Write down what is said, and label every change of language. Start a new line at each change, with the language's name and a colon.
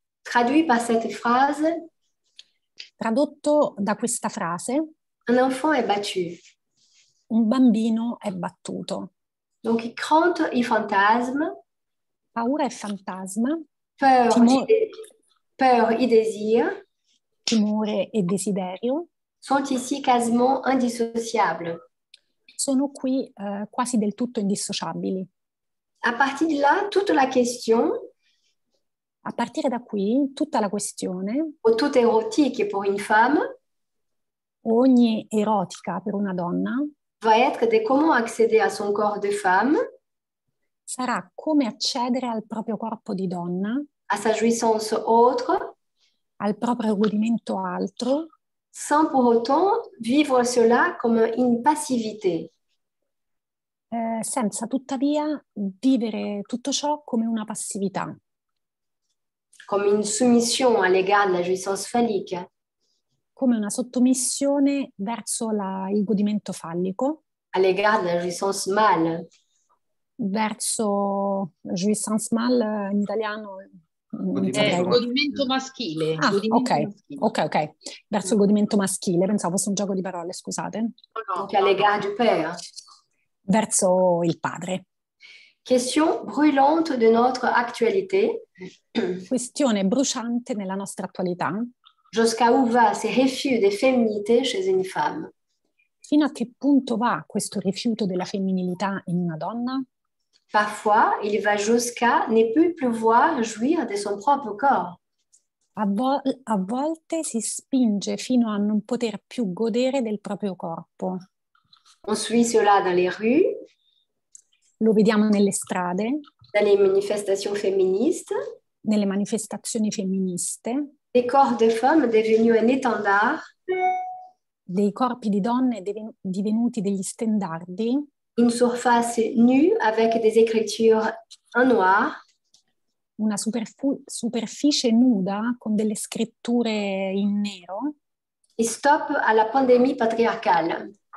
French: Traduit par cette phrase.
Italian: Tradotto da questa frase.
French: Un enfant est battu.
Italian: Un bambino è battuto.
French: Donc crainte et fantasme.
Italian: Paura e fantasma.
French: Peur et désir.
Italian: Timore e desiderio.
French: Sont ici quasiment indissociables.
Italian: Sono qui quasi del tutto indissociabili.
French: A partir de là, toute la question.
Italian: A partire da qui, tutta la questione. O tutte erotiche
French: pour une femme.
Italian: Ogni erotica per una donna.
French: Va être de comment accéder à son corps de femme.
Italian: Sarà come accedere al proprio corpo di donna.
French: À sa jouissance autre.
Italian: Al proprio godimento altro.
French: Sans pour autant vivre cela comme une passivité.
Italian: Senza tuttavia vivere tutto ciò come una passività.
French: Comme une soumission à l'égard de la jouissance phallique.
Italian: Come una sottomissione verso il godimento fallico.
French: À l'égard de la jouissance mâle.
Italian: Verso la
French: jouissance mâle
Italian: in italiano. Godimento maschile. Ah, godimento okay. Maschile. Ok, ok. Verso il godimento maschile, pensavo fosse un gioco di parole, scusate. No, che allegage per. Verso il padre.
French: Question brûlante de notre actualité.
Italian: Questione bruciante nella nostra attualità.
French: Jusqu'à où va ce refus de féminité chez une femme?
Italian: Fino a che punto va questo rifiuto della femminilità in una donna?
French: Parfois, il va jusqu'à ne plus pouvoir jouir de son propre corps.
Italian: A volte si spinge fino a non poter più godere del proprio corpo.
French: On suit cela dans les rues.
Italian: Lo vediamo nelle strade. Dalle manifestazioni femministe. Nelle manifestazioni femministe.
French: Des corps de femmes devenus un étendard.
Italian: Dei corpi di donne divenuti degli stendardi.
French: Une surface nue avec des écritures en noir.
Italian: Una superficie nuda con delle scritture in nero.
French: Et stop à la pandémie patriarcale.